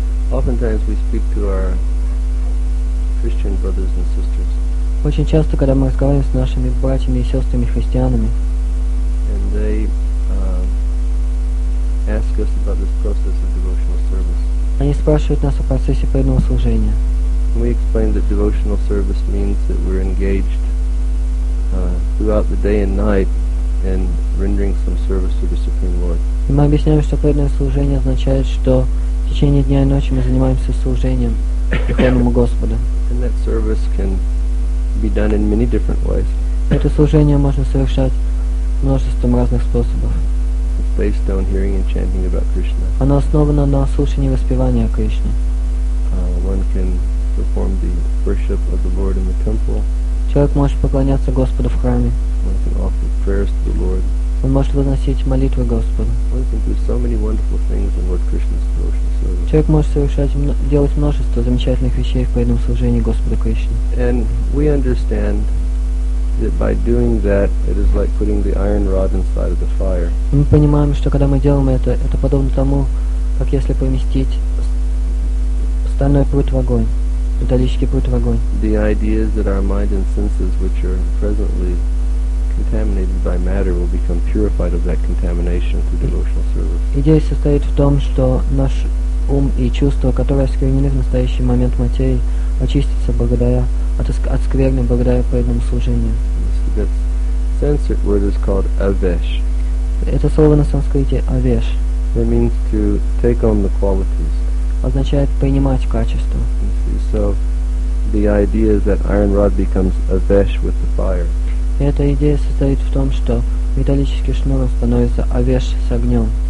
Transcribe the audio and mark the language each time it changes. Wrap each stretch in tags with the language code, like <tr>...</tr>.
<en>Sometimes we speak to our Christian brothers and sisters.</en> <ru>Очень часто, когда мы разговариваем с нашими братьями и сестрами христианами,</ru> <en>and they ask us about this process of devotional service.</en> <ru>Они спрашивают нас о процессе преданного служения.</ru> <en>We explain that devotional service means that we're engaged throughout the day and night in rendering some service to the Supreme Lord.</en> <ru>И мы объясняем, что преданное служение означает, что в течение дня и ночи мы занимаемся служением Верховному Господу.</ru> <en>And that service can be done in many different ways.</en> <ru>Это служение можно совершать множеством разных способов.</ru> <en>It's based on hearing and chanting about Krishna.</en> <ru>Оно основано на слушании и воспевании о Кришне.</ru> <en>One can perform the worship of the Lord in the temple.</en> <ru>Человек может поклоняться Господу в храме.</ru> <en>One can offer prayers to the Lord.</en> <ru>Он может возносить молитвы Господу.</ru> <en>One can do so many wonderful things in Lord Krishna's devotional service.</en> <ru>Человек может совершать, делать множество замечательных вещей в преданном служении Господу Кришне.</ru> <en>And we understand that by doing that, it is like putting the iron rod inside of the fire.</en> <ru>Мы понимаем, что когда мы делаем это подобно тому, как если поместить стальной пруд в огонь, металлический пруд в огонь.</ru> <en>The ideas that our mind and senses, which are presently contaminated by matter, will become purified of that contamination through devotional service.</en> <ru>Идея состоит в том, что наш ум и чувства, которые осквернены в настоящий момент материи, очистятся благодаря от скверны благодаря преданному служению.</ru> <en>This Sanskrit word is called avesh.</en> <ru>Это слово на санскрите avesh.</ru> <en>It means to take on the qualities.</en> <ru>Означает принимать качества.</ru> <en>So the idea is that iron rod becomes avesh with the fire.</en> <ru>И эта идея состоит в том, что металлический шнур становится авеш с огнем.</ru>